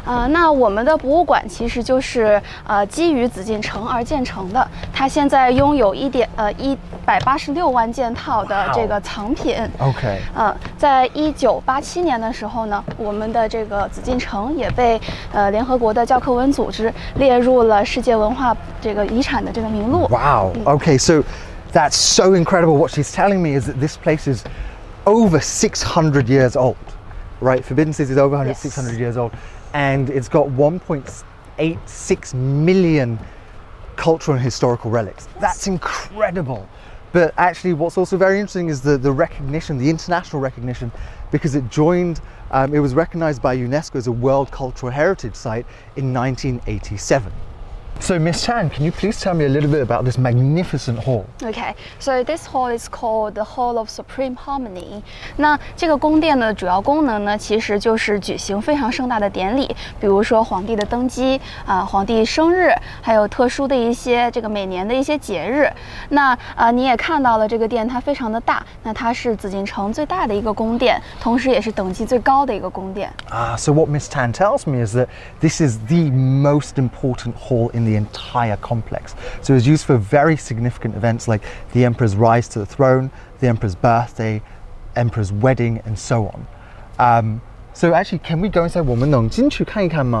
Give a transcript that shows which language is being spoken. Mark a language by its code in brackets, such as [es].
[zh] 那我们的博物馆其实就是基于紫禁城而建成的，它现在拥有186万件套的这个藏品。 [en] Wow. OK。 [zh] 在1987年的时候呢，我们的这个紫禁城也被联合国的教科文组织列入了世界文化这个遗产的这个名录。 [en] Wow. OK. So that's so incredible. What she's telling me is that this place is over 600 years old, right? Forbidden City is over 100, yes. 600 years old. And it's got 1.86 million cultural and historical relics. That's incredible. But actually, what's also very interesting is the recognition, the international recognition, because it joined, it was recognized by UNESCO as a World Cultural Heritage Site in 1987. So Miss Tan, can you please tell me a little bit about this magnificent hall? Okay, so this hall is called the Hall of Supreme Harmony. [zh] 那这个宫殿的主要功能呢，其实就是举行非常盛大的典礼，比如说皇帝的登基，皇帝生日，还有特殊的一些这个每年的一些节日。那你也看到了这个殿，它非常的大，那它是紫禁城最大的一个宫殿，同时也是等级最高的一个宫殿。 [en] So what Miss Tan tells me is that this is the most important hall in the entire complex. So it was used for very significant events like the emperor's rise to the throne, the emperor's birthday, emperor's wedding, and so on. So actually, can we go inside? [zh] 我们能进去看一看吗?